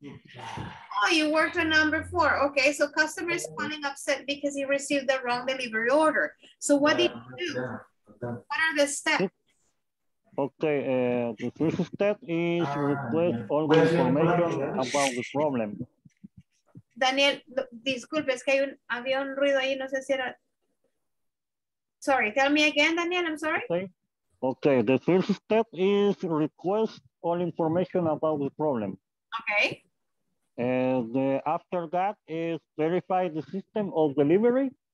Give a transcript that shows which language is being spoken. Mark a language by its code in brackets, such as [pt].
[en] Oh, you worked on number four. Okay, so customer is calling upset because he received the wrong delivery order. So what do you do? What are the steps? Okay, the first step is request all the information about the problem. [es] Daniel, disculpe, es que había un ruido ahí, no sé si era... [en] Sorry, tell me again, Daniel, I'm sorry. Okay, the first step is request all information about the problem. Okay. And after that is verify the system of delivery.